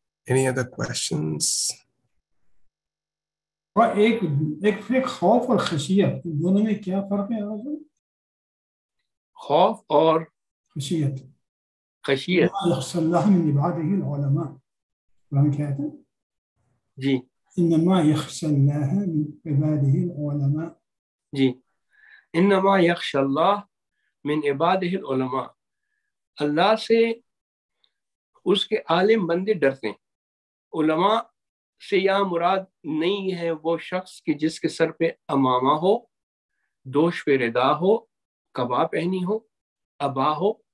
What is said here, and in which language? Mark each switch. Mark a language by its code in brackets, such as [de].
[en] Any other questions? [ur] خوف اور خشیت دونوں میں کیا فرق ہے؟ خوف اور خشیت. خشیت [ar] صلی اللہ من عباده العلماء, [ur] قرآن کہتا ہے جی [ar] انما یخشى اللہ من عباده العلماء. [ur] جی [ar] انما یخشى اللہ من عباده العلماء, [ur] اللہ سے اس کے عالم بندے ڈرتے ہیں. علماء سے یہاں مراد نہیں ہے وہ شخص کہ جس کے سر پہ امامہ ہو, دوش پہ ردا ہو, قبا پہنی ہو, ابا ہو.